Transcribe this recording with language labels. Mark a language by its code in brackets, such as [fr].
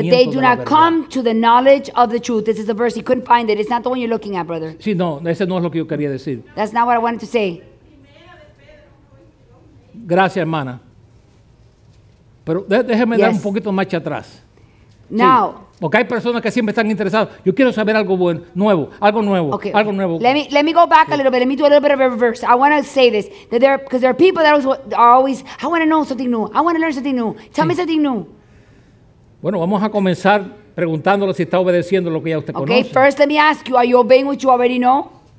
[en] But they do not come to the knowledge of the truth. This is a verse you couldn't find it. It's not the one you're looking at, brother. [es] Sí, no, ese no es lo que yo quería decir. [en] That's not what I wanted to say. [es] Gracias, hermana. Pero déjeme yes. dar un poquito más atrás. [en] Now. Sí. [es] Porque hay personas que siempre están interesadas. Yo quiero saber algo bueno, nuevo, algo nuevo, okay. algo nuevo. [en] Let me go back okay. a little bit. Let me do a little bit of a reverse. I want to say this that there because there are people that are always I want to know something new. I want to learn something new. Tell sí. me something new. [es] Bueno, vamos a comenzar preguntándole si está obedeciendo lo que ya usted [en] okay, [es] conoce. [en] Okay, first let me ask you, are you obeying what you already know?